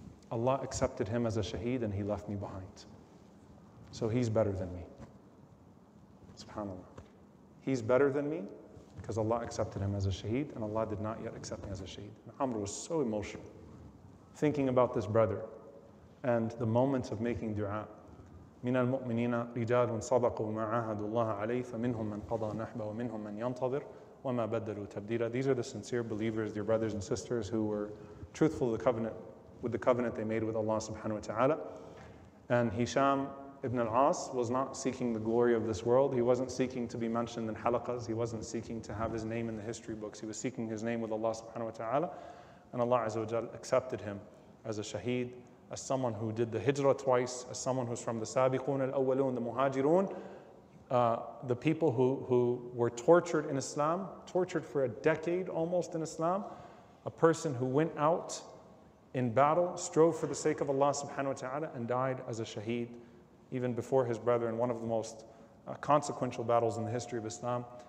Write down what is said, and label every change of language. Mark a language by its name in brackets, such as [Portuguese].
[English] Allah accepted him as a shaheed and he left me behind. So he's better than me. SubhanAllah. He's better than me because Allah accepted him as a shaheed and Allah did not yet accept me as a shaheed. And Amr was so emotional thinking about this brother and the moments of making dua. [Arabic] من المؤمنين رجال صدقوا ما عاهدوا الله عليه فمنهم من قضى نحبه ومنهم من ينتظر وما بدلوا تبديلا. [English] These are the sincere believers, your brothers and sisters who were truthful to the covenant, with the covenant they made with Allah subhanahu wa ta'ala. And Hisham ibn al-As was not seeking the glory of this world. He wasn't seeking to be mentioned in halaqas. He wasn't seeking to have his name in the history books. He was seeking his name with Allah subhanahu wa ta'ala. And Allah azza wa jal accepted him as a shaheed, as someone who did the hijrah twice, as someone who's from the sabiqun al-awwalun, the muhajirun, the people who were tortured in Islam, tortured for a decade almost in Islam, a person who went out in battle, strove for the sake of Allah subhanahu wa ta'ala, and died as a shaheed, even before his brethren, one of the most consequential battles in the history of Islam.